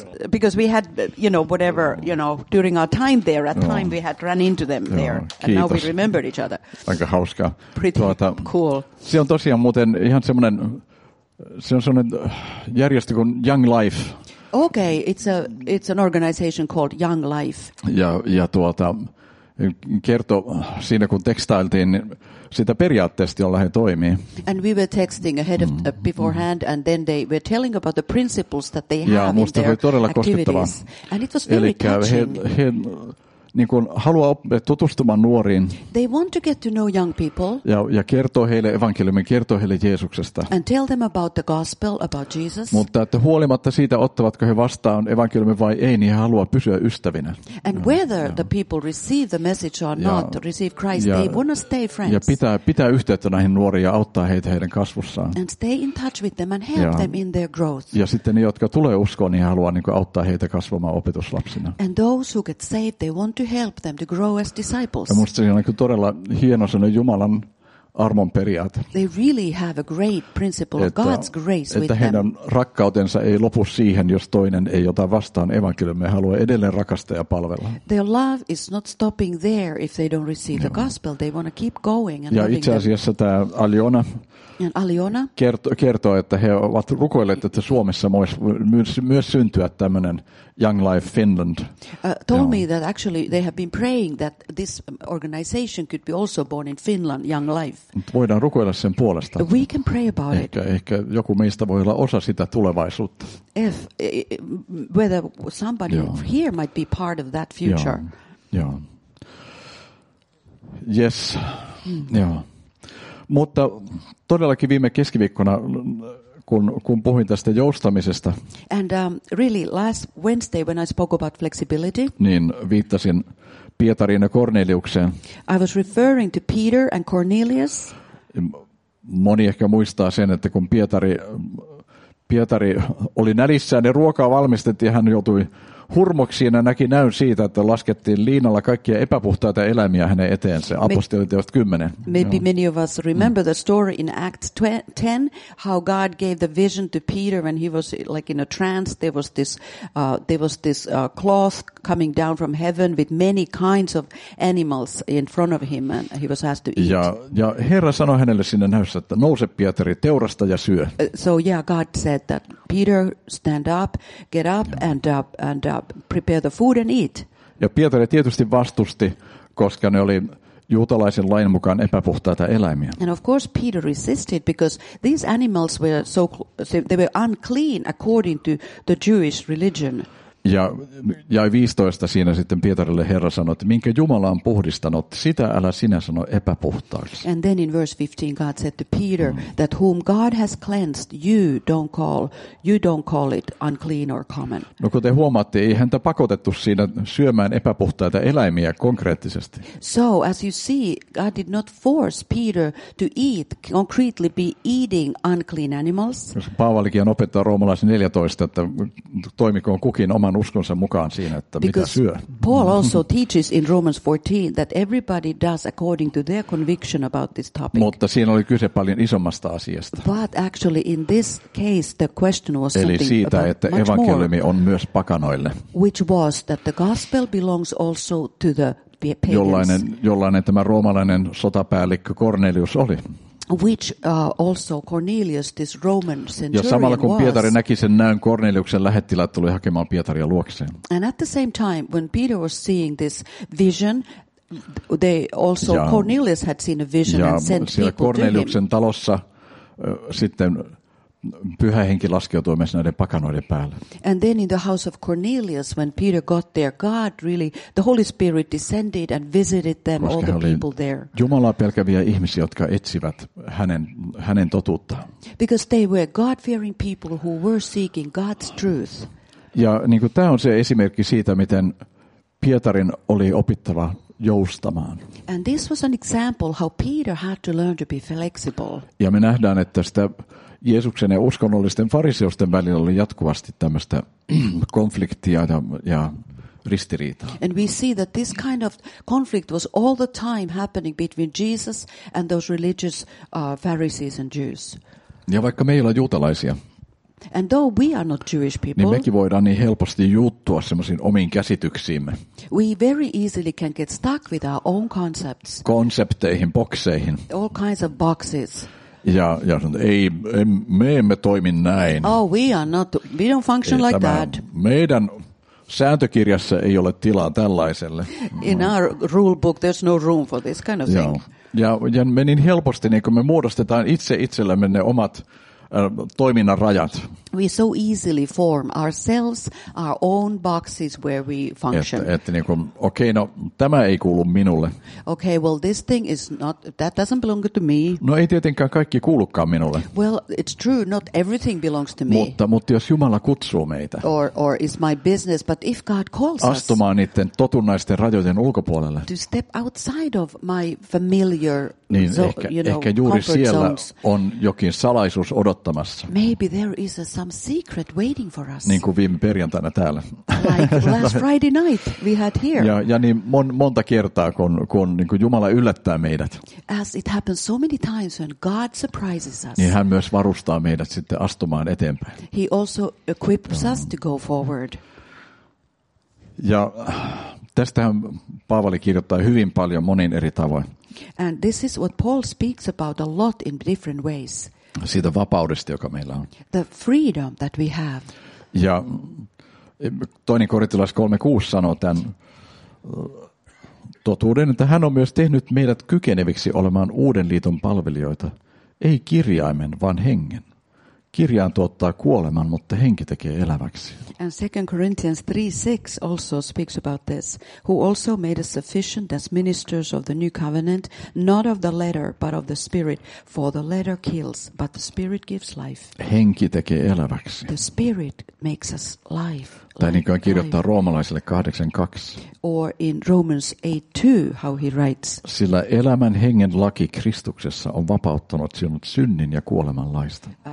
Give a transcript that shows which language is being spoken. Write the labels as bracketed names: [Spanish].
[English] because we had, you know, whatever, you know, during our time there, at time we had run into them there. [Finnish] Kiitos. [English] And now we remembered each other. [Finnish] Aika hauskaa. [English] Pretty cool. [Finnish] Se on tosiaan muuten ihan semmoinen, se on semmoinen järjestö kuin Young Life. [English] Okay, it's an organization called Young Life. [Finnish] Ja tuota, kerto siinä kun tekstailtiin sitä periaatteesta, jolla he toimii. [English] And we were texting ahead of beforehand and then they were telling about the principles that they have in their activities. [Finnish] Ja musta oli todella koskettavaa. [English] And it was very touching. [Finnish] He niin kuin haluaa tutustumaan nuoriin. [English] They want to get to know young people. [Finnish] Ja kertoo heille evankeliumin, kertoo heille Jeesuksesta. [English] And tell them about the gospel, about Jesus. [Finnish] Mutta että huolimatta siitä, ottavatko he vastaan evankeliumin vai ei, niin he haluaa pysyä ystävinä. [English] And whether the people receive the message or not, to receive Christ, they want to stay friends. [Finnish] Ja pitää yhteyttä näihin nuoriin ja auttaa heitä heidän kasvussaan. [English] And stay in touch with them and help them in their growth. [Finnish] Ja sitten ne, jotka tulee uskoon, niin he haluaa niin kuin auttaa heitä kasvamaan opetuslapsina. [English] And those who get saved, they want to help them to grow as disciples. [Finnish] Ja musta se on niin kuin todella hieno sellainen Jumalan armon periaate. [English] They really have a great principle of God's grace with them. [Finnish] Heidän rakkautensa ei lopu siihen, jos toinen ei ota vastaan evankeliumia, haluaa edelleen rakastaa ja palvella. [English] Their love is not stopping there if they don't receive the gospel. They want to keep going and [Finnish] ja itse asiassa tämä Aliona. [English] And Aliona [Finnish] kertoo, että he ovat rukoilleet, että Suomessa voisi myös syntyä tämmöinen Young Life Finland. [English] Told me that actually they have been praying that this organization could be also born in Finland, Young Life. [Finnish] Voidaan rukoilla sen puolesta. [English] We can pray about it. [Finnish] Ehkä joku meistä voi olla osa sitä tulevaisuutta. [English] If whether somebody here might be part of that future. [Finnish] Joo. [English] Yes. [Finnish] Joo. Mutta todellakin viime keskiviikkona, kun puhuin tästä joustamisesta, [English] and really last Wednesday when I spoke about flexibility, [Finnish] niin viittasin Pietariin ja Korneliukseen. [English] I was referring to Peter and Cornelius. [Finnish] Moni ehkä muistaa sen, että kun Pietari oli nälissään ja ruokaa valmistettiin, hän joutui hurmoksiin ja näki näyn siitä, että laskettiin liinalla kaikkia epäpuhtaita eläimiä hänen eteensä. Apostoliteot 10. [English] Maybe many of us remember the story in Acts 10, how God gave the vision to Peter when he was like in a trance. There was this cloth coming down from heaven with many kinds of animals in front of him and he was asked to eat. [Finnish] Ja Herra sanoi hänelle sinne näyssä, että nouse Pietari, teurasta ja syö. [English] God said that Peter, stand up, get up and prepare the food and eat. [Finnish] Ja Pietari tietysti vastusti, koska ne oli juutalaisen lain mukaan epäpuhtaita eläimiä. [English] And of course Peter resisted because these animals were they were unclean according to the Jewish religion. [Finnish] Ja 15 siinä sitten Pietarille Herra sanoi, että minkä Jumala on puhdistanut, sitä älä sinä sano epäpuhtaaksi. [English] And then in verse 15 God said to Peter that whom God has cleansed you don't call it unclean or common. [Finnish] No kuten huomaatte, ei häntä pakotettu siinä syömään epäpuhtaita eläimiä konkreettisesti. [English] So as you see, God did not force Peter to eat, concretely be eating unclean animals. [Finnish] Paavalikin opettaa roomalaisen 14, että toimikoon kukin oman uskonsa mukaan siinä, että [English] because [Finnish] mitä syö. [English] Paul also teaches in Romans 14 that everybody does according to their conviction about this topic. [Finnish] Mutta siinä oli kyse paljon isommasta asiasta. [English] But actually in this case the question was [Finnish] eli siitä, että evankeliumi on myös pakanoille. [English] Which was that the gospel belongs also to the pagans. [Finnish] Jollainen tämä roomalainen sotapäällikkö Cornelius oli. [English] Which also Cornelius, this Roman centurion, [Finnish] ja samalla kun Pietari näki sen näyn, Korneliuksen lähettiläät tuli hakemaan Pietaria luokseen. [English] And at the same time, when Peter was seeing this vision, they also Cornelius had seen a vision and sent people to him. [Finnish] Ja siellä Korneliuksen talossa sitten Pyhä Henki laskeutui myös näiden pakanoiden päälle. [English] And then in the house of Cornelius, when Peter got there, God really, the Holy Spirit descended and visited them, [Finnish] koska [English] all the people there. [Finnish] Jumalaa pelkäviä ihmisiä, jotka etsivät hänen totuuttaan. [English] Because they were God-fearing people who were seeking God's truth. [Finnish] Ja niin kuin tämä on se esimerkki siitä, miten Pietarin oli opittava joustamaan. [English] And this was an example how Peter had to learn to be flexible. [Finnish] Ja me nähdään, että sitä Jeesuksen ja uskonnollisten fariseusten välillä oli jatkuvasti tämmöistä konfliktia ja ristiriitaa. [English] And we see that this kind of conflict was all the time happening between Jesus and those religious Pharisees and Jews. [Finnish] Ja vaikka me ei olla juutalaisia, [English] and though we are not Jewish people, [Finnish] niin mekin voidaan niin helposti juuttua semmoisiin omiin käsityksiimme. [English] We very easily can get stuck with our own concepts. [Finnish] Konsepteihin, bokseihin. [English] All kinds of boxes. [Finnish] Ja sanotaan, me emme toimi näin. [English] Oh, we don't function like that. [Finnish] Meidän sääntökirjassa ei ole tilaa tällaiselle. [English] In our rule book there's no room for this kind of thing. [Finnish] Ja me niin helposti, niin kun me muodostetaan itse itsellemme ne omat toiminnan rajat. [English] we so easily form ourselves our own boxes where we function. [Finnish] Että niin kuin, okay, no tämä ei kuulu minulle. [English] Okay, well this thing is not, that doesn't belong to me. [Finnish] No ei tietenkään kaikki kuulukaan minulle. [English] Well, it's true, not everything belongs to me. [Finnish] Mutta jos Jumala kutsuu meitä. [English] Or is my business, but if God calls [Finnish] astumaan [English] us. [Finnish] Astumaan niiden totunnaisten rajojen ulkopuolelle. [English] To step outside of my familiar, [Finnish] niin [English] so, [Finnish] ehkä, [English] you know, [Finnish] ehkä juuri siellä [English] zones. [Finnish] On jokin salaisuus odottamassa. [English] Maybe there is some secret waiting for us. [Finnish] Niin kuin viime perjantaina täällä. [English] Like last Friday night we had here. [Finnish] Ja niin monta kertaa kun niin kuin Jumala yllättää meidät. [English] As it happens so many times when God surprises us. [Finnish] Niin hän myös varustaa meidät sitten astumaan eteenpäin. [English] He also equips us to go forward. [Finnish] Ja tästähän Paavali kirjoittaa hyvin paljon monin eri tavoin. [English] And this is what Paul speaks about a lot in different ways. [Finnish] Siitä vapaudesta, joka meillä on. [English] The freedom that we have. [Finnish] Ja toinen Korintolais 3:6 sanoo tämän totuuden, että hän on myös tehnyt meidät kykeneviksi olemaan uuden liiton palvelijoita, ei kirjaimen, vaan hengen. Kirjaan tuottaa kuoleman, mutta henki tekee eläväksi. [English] And 2 Corinthians 3:6 also speaks about this, who also made us sufficient as ministers of the new covenant, not of the letter, but of the spirit, for the letter kills, but the spirit gives life. [Finnish] Henki tekee eläväksi. [English] The spirit makes us life. [Finnish] Tai niin kuin kirjoittaa roomalaisille 8:2. [English] Or in Romans 8:2, how he writes. [Finnish] Sillä elämän hengen laki Kristuksessa on vapauttanut sinut synnin ja kuoleman laista.